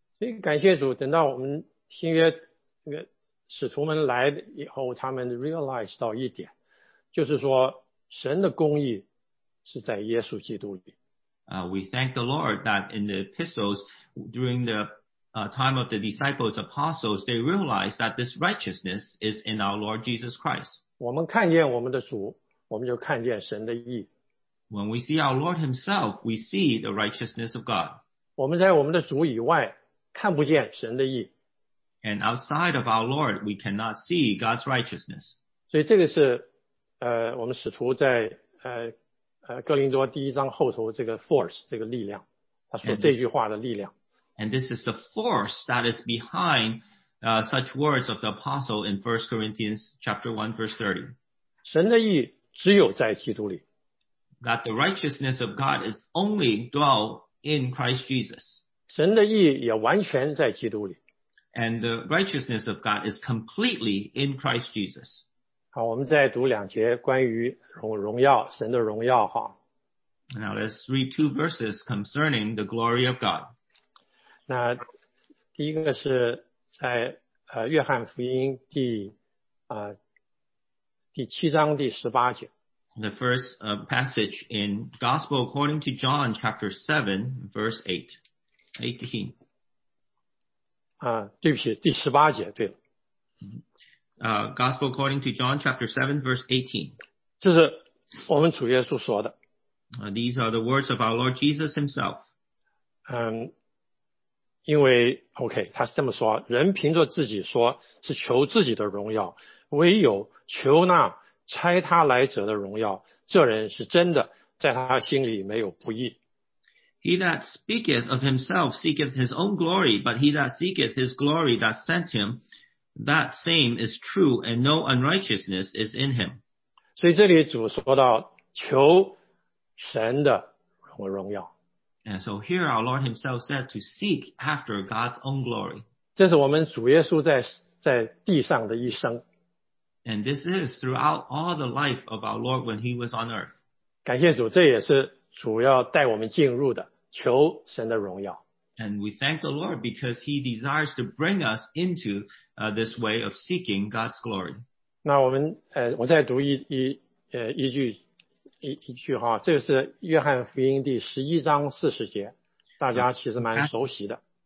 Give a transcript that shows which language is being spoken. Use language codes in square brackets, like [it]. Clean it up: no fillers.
[zh] 所以感谢主，等到我们新约使徒们来以后，他们 realize 到一点，就是说神的公义是在耶稣基督里。 [en] We thank the Lord that in the epistles, during the time of the disciples, apostles, they realized that this righteousness is in our Lord Jesus Christ. [zh] 我们看见我们的主，我们就看见神的义。 [en] When we see our Lord himself, we see the righteousness of God. [zh] 我们在我们的主以外，看不见神的义。 [en] And outside of our Lord, we cannot see God's righteousness. [zh] 所以这个是我们使徒在哥林多第一章后头这个 force, 这个力量，他说这句话的力量。 [en] And this is the force that is behind such words of the apostle in 1 Corinthians chapter 1 verse 30. [zh] 神的义只有在基督里。 [en] That the righteousness of God is only dwell in Christ Jesus. [zh] 神的义也完全在基督里。 [en] And the righteousness of God is completely in Christ Jesus. [zh] 好，我们再读两节关于荣耀，神的荣耀哈。 [en] Now let's read two verses concerning the glory of God. [zh] 那第一个是在约翰福音第七章第十八节。 [en] The first passage in Gospel according to John chapter 7 verse 18. [zh] 对不起，第十八节，对了。 [en] Gospel according to John chapter 7 verse 18. [zh] 这是我们主耶稣说的。 [en] These are the words of our Lord Jesus himself. [zh] 因为 OK, 他是这么说，人凭着自己说是求自己的荣耀，唯有求那差他来者的荣耀，这人是真的，在他心里没有不义。 [en] He that speaketh of himself seeketh his own glory, but he that seeketh his glory that sent him, that same is true, and no unrighteousness is in him. [zh] 所以这里主说到求神的荣耀。 [en] And so here our Lord himself said to seek after God's own glory. [zh] 这是我们主耶稣在地上的一生。 [en] And this is throughout all the life of our Lord when he was on earth. [zh] 感谢主，这也是主要带我们进入的，求神的荣耀。 [en] And we thank the Lord because he desires to bring us into this way of seeking God's glory. [zh] 那我们我再读一句哈，这是约翰福音第十一章四十节，大家其实蛮熟悉的。